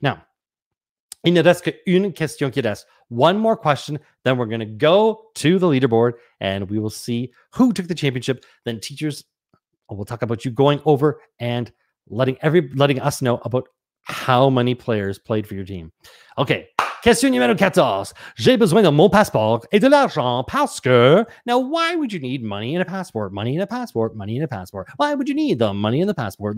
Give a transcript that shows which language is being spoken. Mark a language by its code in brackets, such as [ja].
[fr] Now, il ne reste qu'une question qui reste. [en] One more question, then we're going to go to the leaderboard and we will see who took the championship. Then teachers, we'll talk about you going over and letting us know about how many players played for your team. [fr] Okay, question numéro 14. J'ai besoin de mon passeport et de l'argent parce que... [en] Now, why would you need money and a passport? Money and a passport, money and a passport. Why would you need the money and the passport?